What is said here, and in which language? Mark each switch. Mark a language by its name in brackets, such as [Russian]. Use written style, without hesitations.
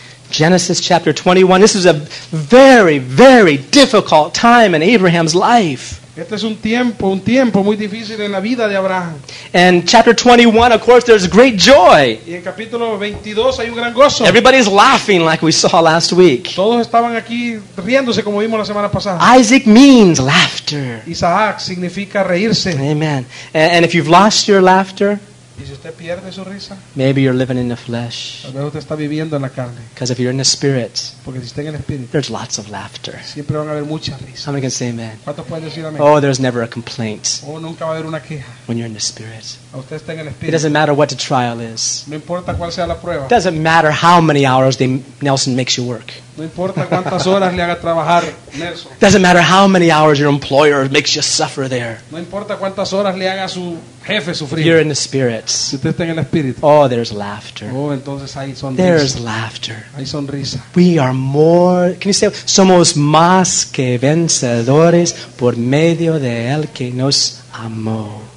[English] Genesis chapter 21. This is a very, very difficult time in Abraham's life. [Spanish] Este es un tiempo muy difícil en la vida de Abraham. [English] And chapter 21, of course, there's great joy. [Spanish] Y en capítulo 22 hay un gran gozo. [English] Everybody's laughing like we saw last week. [Spanish] Todos estaban aquí riéndose como vimos la semana pasada. [English] Isaac means laughter. [Spanish] Isaac significa reírse. [English] Amen. And if you've lost your laughter, [Spanish] y si usted pierde su risa, [English] maybe you're living in the flesh. [Spanish] Tal vez usted está viviendo en la carne. [English] Because if you're in the spirit, [Spanish] porque si está en el espíritu, [English] there's lots of laughter. [Spanish] Siempre van a haber muchas risas. [English] How many can say amen? [Spanish] ¿Cuántos pueden decir amén? [English] Oh, there's never a complaint. [Spanish] Oh, nunca va a haber una queja. [English] When you're in the spirit, [Spanish] usted está en el espíritu. [English] It doesn't matter what the trial is. [Spanish] No importa cuál sea la prueba. [English] It doesn't matter how many hours Nelson makes you work. [Spanish] No importa cuántas horas le haga trabajar Nelson. [English] It doesn't matter how many hours your employer makes you suffer there. [Spanish] No importa cuántas horas le haga su jefe sufrir. [English] You're in the spirit. [Spanish] Si usted está en el espíritu. [English] Oh, there's laughter. [Spanish] Oh, entonces hay sonrisa. [English] There's laughter. [Spanish] Hay sonrisa. [English] We are more. Can you say, [Spanish] somos más que vencedores por medio de el que nos amó.